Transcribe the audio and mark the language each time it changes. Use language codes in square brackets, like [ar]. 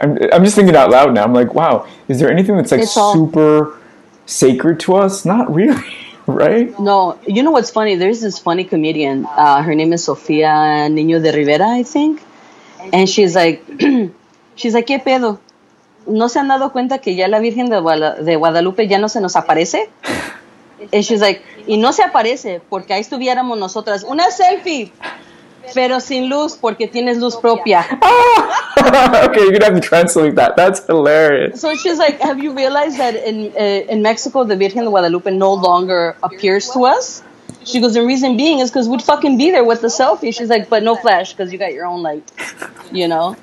[en] I'm just thinking out loud now. I'm like, wow, is there anything that's like super sacred to us? Not really, right? No, you know what's funny? There's this funny comedian. Her name is Sofia Niño de Rivera, I think. And she's like, she's like, [es] ¿qué pedo? ¿No se han dado cuenta que ya la Virgen de Guadalupe ya no se nos aparece? [en] And she's like, [es] y no se aparece porque ahí estuviéramos nosotras. Una selfie, pero sin luz porque tienes luz propia. [en] Okay, you're gonna have to translate that. That's hilarious. So she's like, have you realized that in Mexico, the Virgen de Guadalupe no longer appears to us? She goes, the reason being is because we'd fucking be there with the selfie. She's like, but no flash because you got your own light, you know?